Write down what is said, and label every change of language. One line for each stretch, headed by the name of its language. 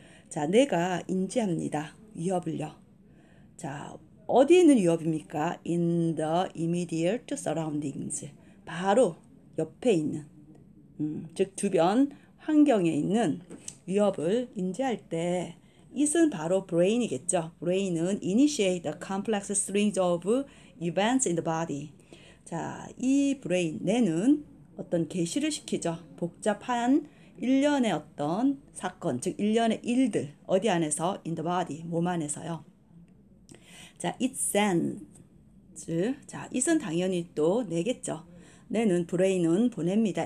Korean: 자, 뇌가 인지합니다. 위협을요. 자, 어디에 있는 위협입니까?
English: In the immediate surroundings.
Korean: 바로 옆에 있는, 즉 주변 환경에 있는 위협을 인지할 때 이것은 바로 브레인이겠죠. 브레인은
English: initiate the complex strings of events in the body.
Korean: 자, 이 브레인, 뇌는 어떤 개시를 시키죠. 복잡한 일련의 어떤 사건, 즉 일련의 일들, 어디 안에서?
English: In the body,
Korean: 몸 안에서요. 자,
English: it sends.
Korean: 자, 이것은 당연히 또 뇌겠죠. 뇌는 브레인은 보냅니다.